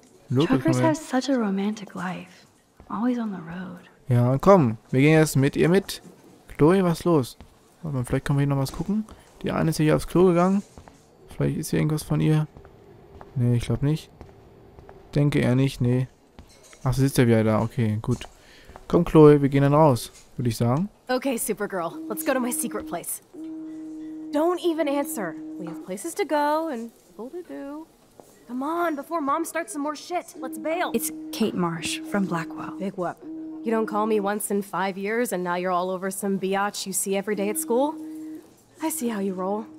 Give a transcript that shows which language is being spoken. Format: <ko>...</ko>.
<en>Truckers have such a romantic life. Always on the road.</en> <de>Ja, komm, wir gehen jetzt mit ihr mit. Chloe, was ist los? Warte mal, vielleicht können wir hier noch was gucken. Die eine ist hier aufs Klo gegangen. Vielleicht ist hier irgendwas von ihr. Nee, ich glaube nicht. Denke eher nicht, nee. Ach, sie sitzt ja wieder da. Okay, gut. Komm, Chloe, wir gehen dann raus, würde ich sagen.</de> <en>Okay, Supergirl, let's go to my secret place. Don't even answer. We have places to go and people to do. Come on, before Mom starts some more shit, let's bail. It's Kate Marsh from Blackwell. Big whoop. You don't call me once in 5 years and now you're all over some biatch you see every day at school? I see how you roll.</en>